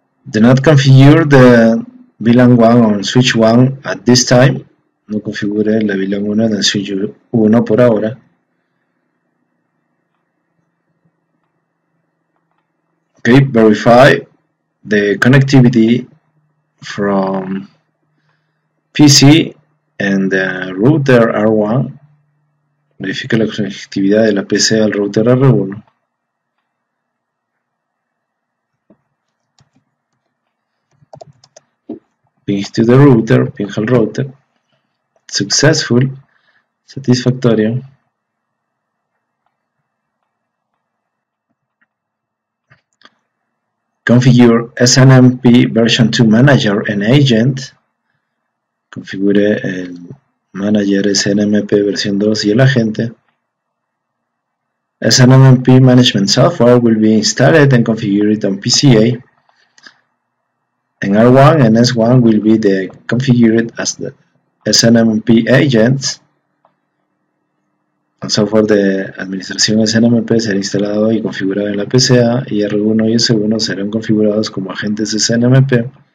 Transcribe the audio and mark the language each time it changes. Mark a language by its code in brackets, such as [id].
[en] Do not configure the VLAN 1 on switch 1 at this time. [es] No configure la VLAN 1 en switch 1 por ahora. [en] Okay, verify the connectivity from PC and the router R1. [es] Verifica la conectividad de la PC al router R1. [en] ping to the router, [es] ping al router. [en] Successful, [es] satisfactorio. [en] Configure SNMP version 2 manager and agent. [es] Configure el manager SNMP versión 2 y el agente. [en] SNMP management software will be installed and configured on PCA. And R1 and S1 will be the configured as the SNMP agents. [es] El software de administración SNMP será instalado y configurado en la PCA y R1 y S1 serán configurados como agentes SNMP.